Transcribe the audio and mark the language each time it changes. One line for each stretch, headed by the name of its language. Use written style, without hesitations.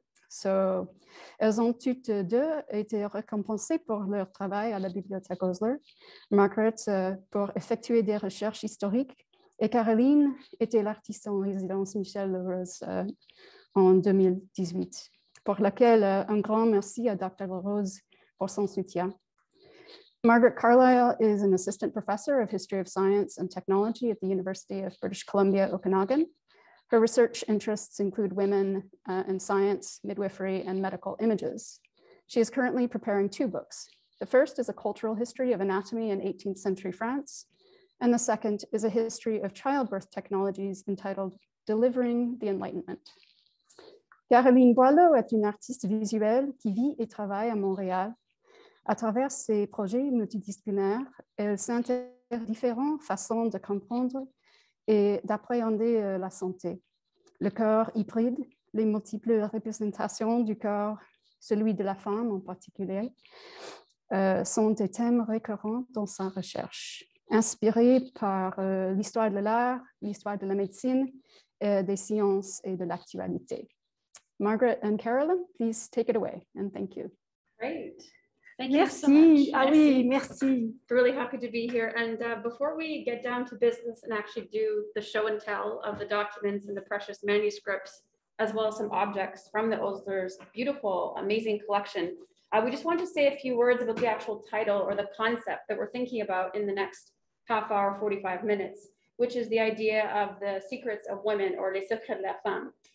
French: So, elles ont toutes deux été récompensées pour leur travail à la Bibliothèque Osler. Margaret pour effectuer des recherches historiques, et Caroline était l'artiste en résidence Michel Larose en 2018, pour laquelle un grand merci à Dr. Larose pour son soutien.
English: Margaret Carlisle is an assistant professor of history of science and technology at the University of British Columbia, Okanagan. Her research interests include women in science, midwifery, and medical images. She is currently preparing two books. The first is a cultural history of anatomy in 18th century France, and the second is a history of childbirth technologies entitled Delivering the Enlightenment.
French: Caroline Boileau est une artiste visuelle qui vit et travaille à Montréal. À travers ses projets multidisciplinaires, elle s'intéresse à différentes façons de comprendre et d'appréhender la santé. Le corps hybride, les multiples représentations du corps, celui de la femme en particulier, sont des thèmes récurrents dans sa recherche. Inspirée par l'histoire de l'art, l'histoire de la médecine, des sciences et de l'actualité.
English: Margaret and Carolyn, please take it away and thank you. Great. Thank
French: merci.
English: You so much.
French: Ah, merci. Oui, merci.
English: Really happy to be here. And before we get down to business and actually do the show and tell of the documents and the precious manuscripts, as well as some objects from the Osler's beautiful, amazing collection, we just want to say a few words about the actual title or the concept that we're thinking about in the next half hour, 45 minutes, which is the idea of the secrets of women or
French: les secrets de la femme.